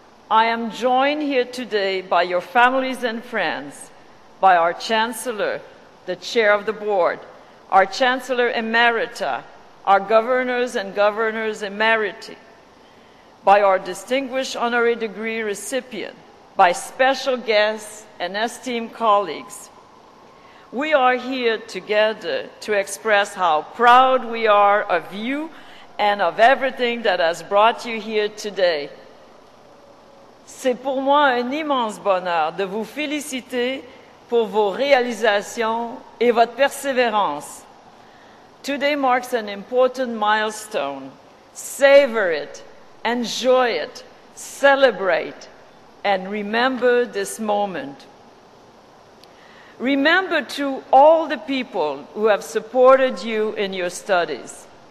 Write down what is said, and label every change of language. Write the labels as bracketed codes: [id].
[en] I am joined here today by your families and friends, by our chancellor, the chair of the board, our chancellor emerita, our governors and governors emeriti, by our distinguished honorary degree recipient, by special guests and esteemed colleagues. We are here together to express how proud we are of you and of everything that has brought you here today. [fr] C'est pour moi un immense bonheur de vous féliciter pour vos réalisations et votre persévérance. [en] Today marks an important milestone. Savor it, enjoy it, celebrate, and remember this moment. Remember to all the people who have supported you in your studies.